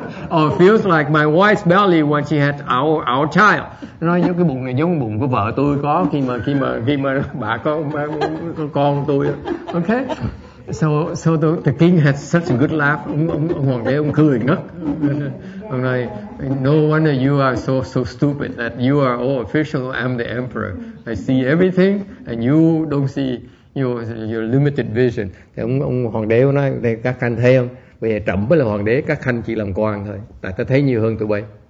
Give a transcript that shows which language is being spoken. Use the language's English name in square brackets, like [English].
[English] Or feels like my wife's belly when she had our child. [Vietnamese] Nói giống cái bụng này giống bụng của vợ tôi có khi mà bà có con tôi. [English] Okay. So the king had such a good laugh. [Vietnamese] Ông hoàng đế ông cười ngất. Ông nói, [English] no wonder you are so stupid that you are all official. I'm the emperor. I see everything, and you don't see your limited vision. [Vietnamese] Thì ông hoàng đế nói, các khanh thấy không? Bây giờ trẫm mới là hoàng đế, các khanh chỉ làm quan thôi. Tại ta thấy nhiều hơn tụi bay.